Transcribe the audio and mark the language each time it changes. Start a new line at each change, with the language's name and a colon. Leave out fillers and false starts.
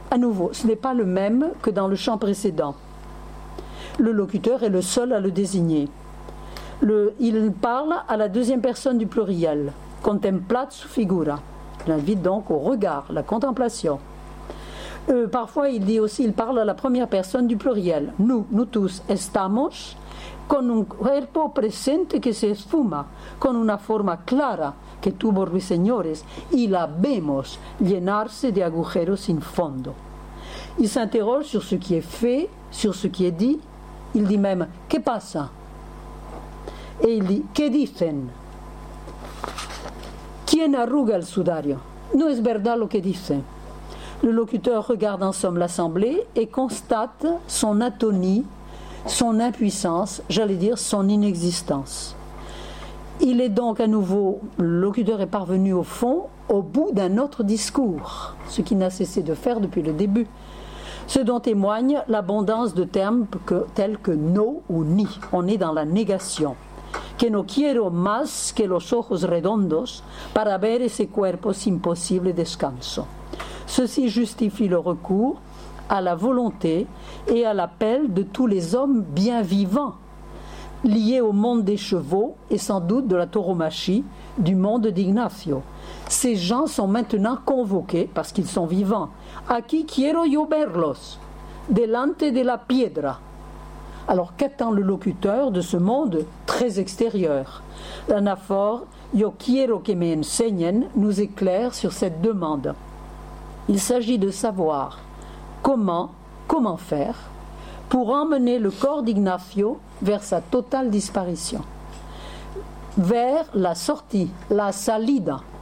French: À nouveau, ce n'est pas le même que dans le chant précédent. Le locuteur est le seul à le désigner. Il parle à la deuxième personne du pluriel, «
Spanish: contemplat su figura ».
French: Il invite donc au regard, la contemplation. Parfois, il dit aussi, il parle à la première personne du pluriel. Nous tous,
Spanish: estamos, con un cuerpo presente que se esfuma, con una forma clara que tuvo ruiseñores, y la vemos llenarse de agujeros sin fondo.
French: Il s'interroge sur ce qui est fait, sur ce qui est dit. Il dit même «
Spanish: Que pasa ?»
French: Et il dit «
Spanish: Que dicen ?» Quien arruga el sudario ? No es verdad lo que dice.
French: Le locuteur regarde en somme l'assemblée et constate son atonie, son impuissance, j'allais dire son inexistence. Il est donc à nouveau, le locuteur est parvenu au fond, au bout d'un autre discours, ce qu'il n'a cessé de faire depuis le début. Ce dont témoigne l'abondance de termes tels que « no » ou « ni ». On est dans la négation. «
Spanish: Que no quiero más que los ojos redondos para ver ese cuerpo sin posible descanso.
French: » Ceci justifie le recours à la volonté et à l'appel de tous les hommes bien vivants, liés au monde des chevaux et sans doute de la tauromachie du monde d'Ignacio. Ces gens sont maintenant convoqués parce qu'ils sont vivants.
Spanish: Aquí quiero yo verlos, delante de la piedra.
French: Alors qu'attend le locuteur de ce monde très extérieur? L'anaphore
Spanish: yo quiero que me enseñen
French: nous éclaire sur cette demande. Il s'agit de savoir comment faire pour emmener le corps d'Ignacio vers sa totale disparition, vers la sortie, la salida.